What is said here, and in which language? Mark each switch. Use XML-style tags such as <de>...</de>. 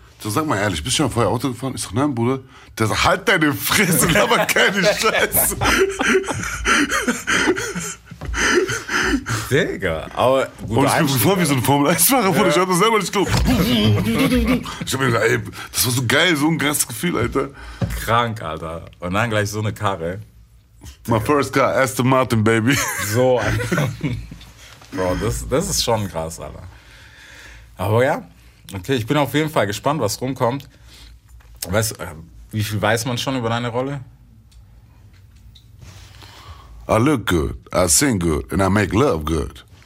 <de>So, sag mal ehrlich, bist du schon vorher Auto gefahren? Ich sag, nein, Bruder. Der sagt, halt deine Fresse, laber keine Scheiße. Digga, aber gut. Und ich bin gefahren wie so ein Formel-1-Fahrer, Bruder. Ich hab das selber nicht gedacht. Ich hab mir gesagt, ey, das war so geil, so ein krasses Gefühl, Alter. Krank, Alter. Und dann gleich so eine Karre.</de> <en>My first car, Aston Martin, baby.</en> <de>So, Alter. Bro, das ist schon krass, Alter. Aber ja, okay, ich bin auf jeden Fall gespannt, was rumkommt. Wie viel weiß man schon über deine Rolle?</de> <en>I look good, I sing good, and I make love good.</en>